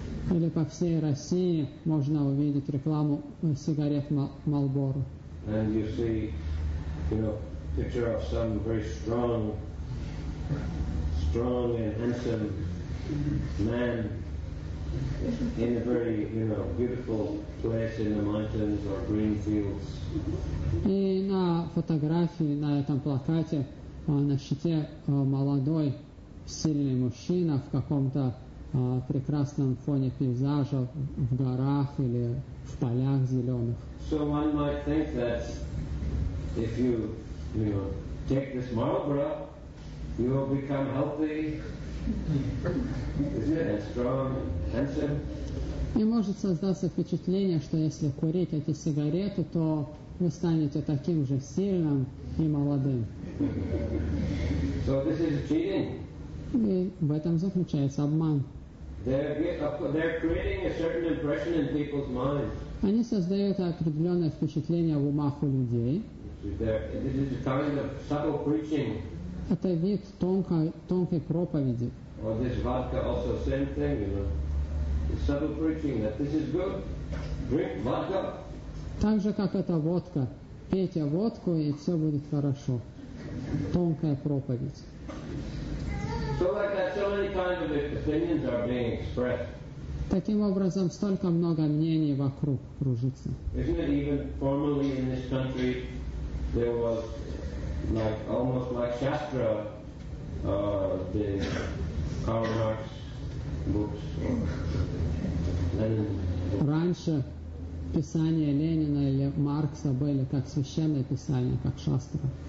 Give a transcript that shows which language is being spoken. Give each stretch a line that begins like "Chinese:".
Russian: Или по всей России можно увидеть рекламу сигарет Marlboro.
English: And you see, you know, picture of some very strong, strong and handsome man in a very, you know, beautiful place in the mountains or green fields.
Russian: И на фотографии, на этом плакате, на щите молодой, сильный мужчина в каком-то прекрасном фоне пейзажа в горах или в полях зеленых.
English: So one might think that if you, you know, take this marabra, you will become healthy, isn't it? Strong, handsome.
Russian: И может создаться впечатление, что если курить эти сигареты, то вы станете таким же сильным и молодым.
English: So this is cheating.
Russian: И в этом заключается обман.
English: They're creating a certain impression in people's minds.
Russian: Они создают определенное впечатление в умах у людей.
English: This is a kind of subtle preaching.
Russian: Это вид тонкой проповеди.
English: Or this vodka also same thing, you know. Subtle preaching that this is good. Drink vodka.
Russian: Так же, как эта водка. Пейте водку, и все будет хорошо. Тонкая проповедь.
English: So like that, so many kind of opinions are being expressed.
Russian: Таким образом, столько много мнений вокруг кружится.
English: Isn't it even formerly in this country there was like almost like Shastra, the Karl Marx books or Lenin.
Russian: Раньше писания Ленина или Маркса были как священные писания, как шастра.